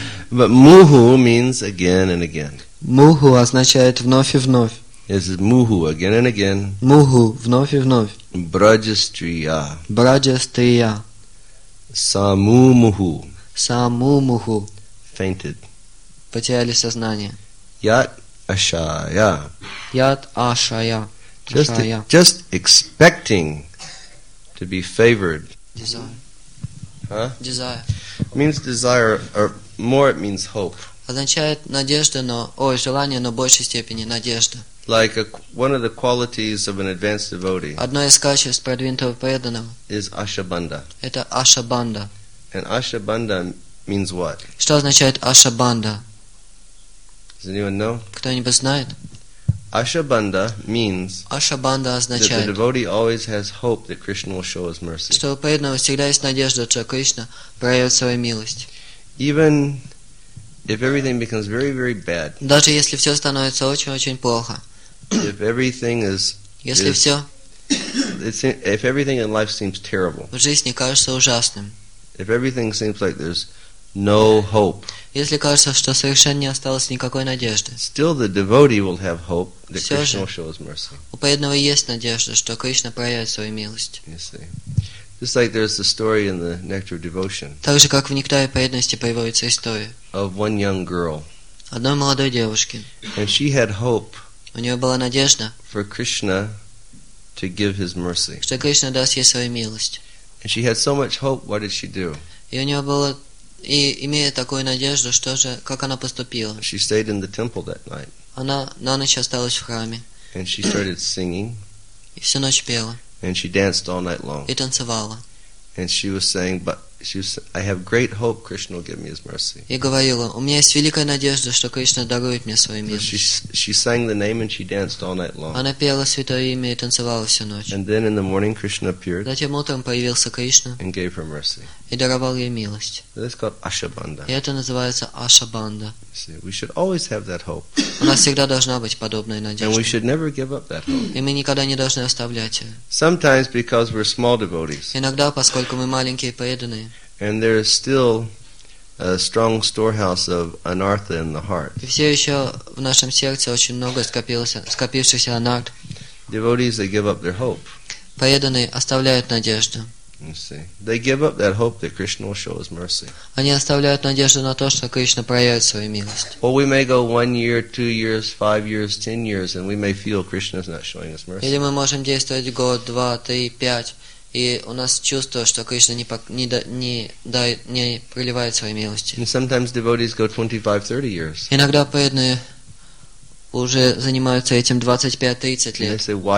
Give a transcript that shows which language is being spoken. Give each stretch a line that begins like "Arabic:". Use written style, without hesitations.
English: But Muhu means again and again.
Russian: Муху означает вновь и вновь.
English: It says Muhu again and again.
Russian: Муху вновь и вновь.
Sanskrit: Браджастрия. Браджастрия. Саму Муху. Саму Муху.
English: Fainted.
Russian: Потеряли сознание.
Sanskrit: Ят Ашая. Ят Ашая.
English: Just expecting to be favored. Desire. Huh? Desire. Means desire, or more it means hope.
Russian: Означает надежда, но ой, желание, но в большей степени надежда.
English: Like one of the qualities of an advanced devotee.
Russian: Одно из качеств продвинутого преданного.
English: Is Ашабанда.
Russian: Это Ашабанда.
English: And Ашабанда means what?
Russian: Что означает Ашабанда?
English: Does anyone know?
Russian: Кто-нибудь знает?
English: Ашабанда means.
Russian: Ашабанда означает.
English: That the devotee always has hope that Krishna will show his mercy.
Russian: Что у преданного всегда есть надежда, что Кришна проявит свою милость.
English: Even if everything becomes very, very bad.
Russian: Даже если все становится очень-очень плохо.
English: If everything is.
Russian: Если все.
English: If everything in life seems terrible.
Russian: В жизни кажется ужасным.
English: If everything seems like there's no hope.
Russian: Если кажется, что совершенно не осталось никакой надежды.
English: Still the devotee will have hope that Krishna will show his mercy.
Russian: У преданного есть надежда, что Кришна проявит свою милость.
English: You see. Just like there's the story in the Nectar of Devotion.
Russian: Так же, как в Нектаре преданности появляется история.
English: Of one young girl.
Russian: Одной молодой девушки.
English: And she had hope.
Russian: У нее была надежда.
English: For Krishna to give his mercy.
Russian: Что Кришна даст ей свою милость.
English: And she had so much hope, what did she do?
Russian: И у нее было И имея такую надежду, что же, как она поступила?
English: She stayed in the temple that night.
Russian: Она на ночь осталась в храме.
English: And she started singing.
Russian: И всю ночь пела.
English: And she danced all night long.
Russian: И танцевала.
English: And she was saying, but she was, I have great hope Krishna will give me his mercy.
Russian: И говорила, у меня есть великая надежда, что Кришна дарует мне свою милость.
English: She sang the name and she danced all night long.
Russian: Она пела святое имя и танцевала всю ночь.
English: And then in the morning Krishna appeared.
Russian: Затем утром появился Кришна.
English: And gave her mercy.
Russian: И даровал ей милость.
English: That's called Ашабанда.
Russian: И это называется Ашабанда.
English: See, we should always have that hope.
Russian: У нас всегда должна быть подобная надежда.
English: And we should never give up that hope.
Russian: И мы никогда не должны оставлять ее.
English: Sometimes because we're small devotees.
Russian: Иногда, поскольку мы маленькие преданные.
English: And there is still a strong storehouse of anartha in the heart.
Russian: И все еще в нашем сердце очень много скопившихся анарт.
English: Devotees, they give up their hope.
Russian: Преданные оставляют надежду.
English: You see. They give up that hope that Krishna will show his mercy.
Russian: Они оставляют надежду на то, что Кришна проявит свою милость.
English: Or we may go 1 year, 2 years, 5 years, 10 years, and we may feel Krishna is not showing his mercy.
Russian: Или мы можем действовать год, два, три, пять, и у нас чувство, что Кришна не проливает свою милость.
English: And sometimes devotees go 25-30 years.
Russian: Иногда преданные уже занимаются этим 25-30 лет.